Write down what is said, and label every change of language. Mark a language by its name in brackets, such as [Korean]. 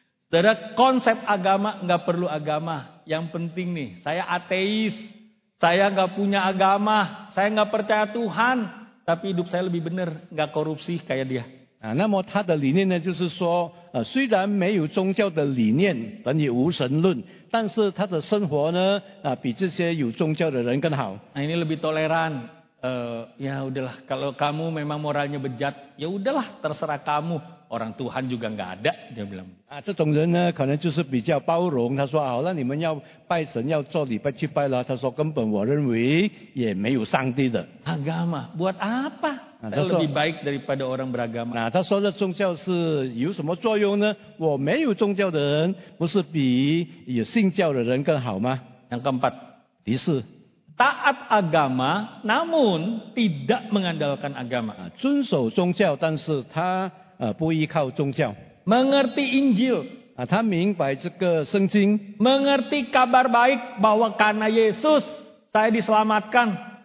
[Indonesian] Saudara, konsep agama nggak perlu agama. Yang penting nih, saya ateis, saya nggak punya agama, saya nggak percaya Tuhan, tapi hidup saya lebih benar, nggak korupsi kayak dia. [Chinese] Nah, 那么他的理念呢，就是说，虽然没有宗教的理念，等于无神论，但是他的生活呢，比这些有宗教的人更好。 [Indonesian] Nah, ini lebih toleran. Ya udahlah, kalau kamu memang moralnya bejat, ya udahlah, terserah kamu. Orang Tuhan juga enggak ada, dia bilang. [Chinese] Ah, 这种人呢，可能就是比较包容。他说，好，那你们要拜神，要做礼拜去拜了。他说，根本我认为也没有上帝的。 [Indonesian] Agama buat apa? Nah, [Chinese] 他说, [Indonesian] lebih baik daripada orang beragama. [Chinese] Nah, 他说，这宗教是有什么作用呢？我没有宗教的人，不是比有信教的人更好吗？ [Indonesian] Yang keempat, [Chinese] 第四, [Indonesian] taat agama, namun tidak mengandalkan agama. [Chinese] Ah, 遵守宗教，但是他 不依靠宗教. [Indonesian] Mengerti Injil. [Chinese] 他明白这个圣经. [Indonesian] Mengerti kabar baik bahwa karena Yesus saya diselamatkan.